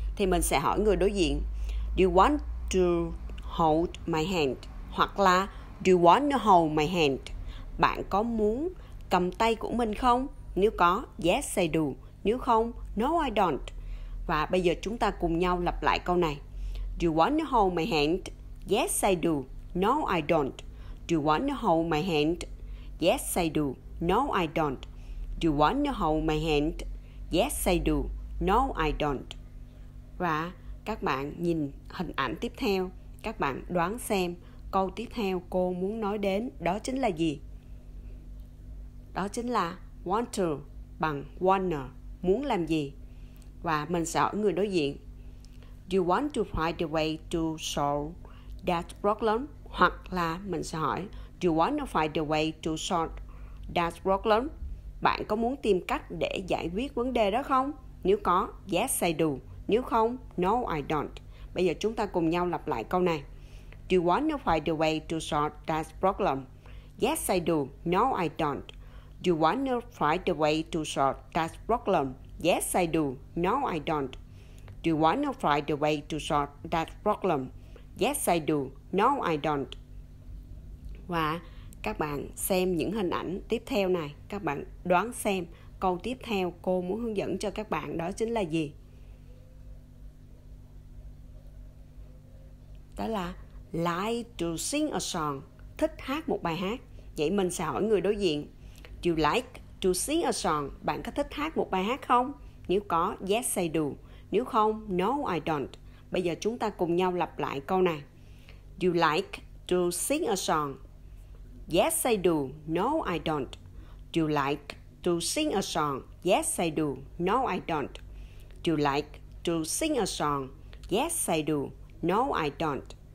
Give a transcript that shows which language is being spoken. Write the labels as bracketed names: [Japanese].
[Vietnamese] Thì mình sẽ hỏi người đối diện, [English] do you want to hold my hand? [Vietnamese] Hoặc là [English] do you want to hold my hand? [Vietnamese] Bạn có muốn cầm tay của mình không? Nếu có, [English] yes I do. [Vietnamese] Nếu không, [English] no I don't. [Vietnamese] Và bây giờ chúng ta cùng nhau lặp lại câu này. [English] Do you want to hold my hand? Yes I do. No I don't. Do you want to hold my hand? Yes I do. No I don't. Do you want to hold my hand? Yes I do. No I don't. [Vietnamese] Và các bạn nhìn hình ảnh tiếp theo, các bạn đoán xem câu tiếp theo cô muốn nói đến đó chính là gì? Đó chính là want to bằng wanna, muốn làm gì. Và mình sẽ hỏi người đối diện, [English] do you want to find a way to solve that problem? [Vietnamese] Hoặc là mình sẽ hỏi, [English] do you want to find a way to solve that problem? [Vietnamese] Bạn có muốn tìm cách để giải quyết vấn đề đó không? Nếu có, [English] yes I do. [Vietnamese] Nếu không, [English] no I don't. [Vietnamese] Bây giờ chúng ta cùng nhau lặp lại câu này. [English] Do you want to find a way to solve that problem? Yes I do. No I don't. Do you want to find a way to solve that problem? Yes I do. No I don't. Do you want to find a way to solve that problem? Yes I do. No I don't. [Vietnamese] Và các bạn xem những hình ảnh tiếp theo này, các bạn đoán xem câu tiếp theo cô muốn hướng dẫn cho các bạn đó chính là gì? Đó là [English] like to sing a song, [Vietnamese] thích hát một bài hát. Vậy mình sẽ hỏi người đối diện, [English] do you like to sing a song? [Vietnamese] Bạn có thích hát một bài hát không? Nếu có, [English] yes I do. [Vietnamese] Nếu không, [English] no I don't. [Vietnamese] Bây giờ chúng ta cùng nhau lặp lại câu này. [English] Do you like to sing a song? Yes I do. No I don't. Do you like to sing a song? Yes I do. No I don't. Do you like to sing a song? Yes I do. No I don't.